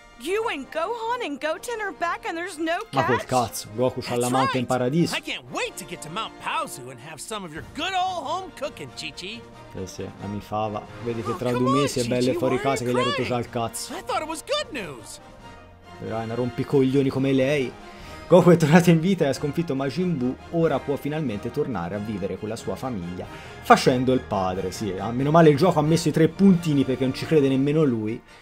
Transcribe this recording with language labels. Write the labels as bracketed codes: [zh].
[en] You and Gohan and Goten are back and there's no catch? [it] Ma quel cazzo, Goku c'ha la manca in paradiso. [en] I can't wait to get to Mount Paozu and have some of your good old home cooking, Chi-Chi. [it] Eh sì, la mi fava. Vedi che tra due mesi è bello fuori casa che gli ha rotto già il cazzo. [en] I thought it was good news. [it] Però è una rompicoglioni come lei. Goku è tornato in vita e ha sconfitto Majin Buu, ora può finalmente tornare a vivere con la sua famiglia, facendo il padre, sì. Meno male il gioco ha messo i tre puntini perché non ci crede nemmeno lui.